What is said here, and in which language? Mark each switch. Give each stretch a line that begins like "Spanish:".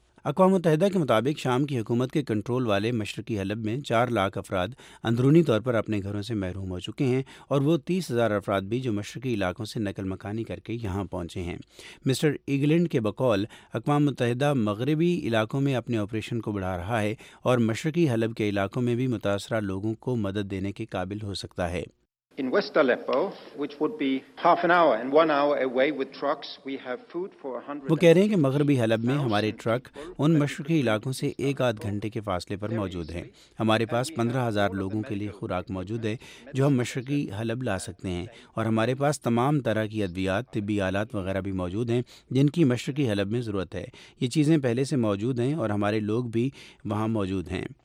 Urdu: اقوام متحدہ کے مطابق شام کی حکومت کے کنٹرول والے مشرقی حلب میں 400,000 افراد اندرونی طور پر اپنے گھروں سے محروم ہو چکے ہیں، اور وہ 30,000 افراد بھی جو مشرقی علاقوں سے نقل مکانی کر کے یہاں پہنچے ہیں۔ مسٹر ایگلینڈ کے بقول اقوام متحدہ مغربی علاقوں میں اپنے آپریشن کو بڑھا رہا ہے، اور مشرقی حلب کے علاقوں میں بھی متاثرہ لوگوں کو مدد دینے کے قابل ہو سکتا ہے۔
English: In West Aleppo, which would be half an hour and one hour away with trucks, we have food for 100,000.
Urdu: وہ کہہ رہے ہیں کہ مغربی حلب میں ہمارے ٹرک ان مشرقی علاقوں سے ایک آدھ گھنٹے کے فاصلے پر موجود ہیں۔ ہمارے پاس 15,000 لوگوں کے لیے خوراک موجود ہے جو ہم مشرقی حلب لا سکتے ہیں، اور ہمارے پاس تمام طرح کی ادویات، طبی آلات وغیرہ بھی موجود ہیں جن کی مشرقی حلب میں ضرورت ہے۔ یہ چیزیں پہلے سے موجود ہیں اور ہمارے لوگ بھی وہاں موجود ہیں۔